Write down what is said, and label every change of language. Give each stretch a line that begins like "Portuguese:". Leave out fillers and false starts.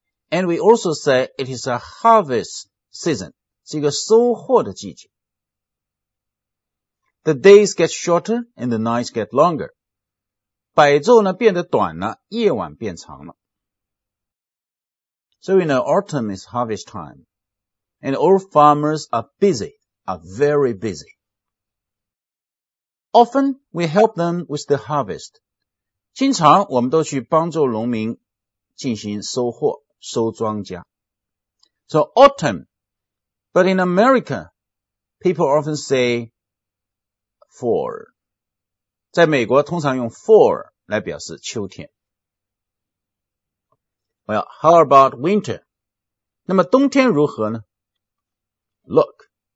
English: And we also say it is a harvest season,
Chinese: 是一个收获的季节。
English: The days get shorter and the nights get longer.
Chinese: 白昼呢变得短了，夜晚变长了。
English: So you know, autumn is harvest time, and all farmers are busy, are very busy. Often we help them with the harvest.
Chinese: 经常我们都去帮助农民进行收获、收庄稼。
English: So autumn, but in America, people often say fall.
Chinese: 在美国通常用 fall 来表示秋天。
English: Well, how about winter?
Chinese: 那么冬天如何呢?
English: Look.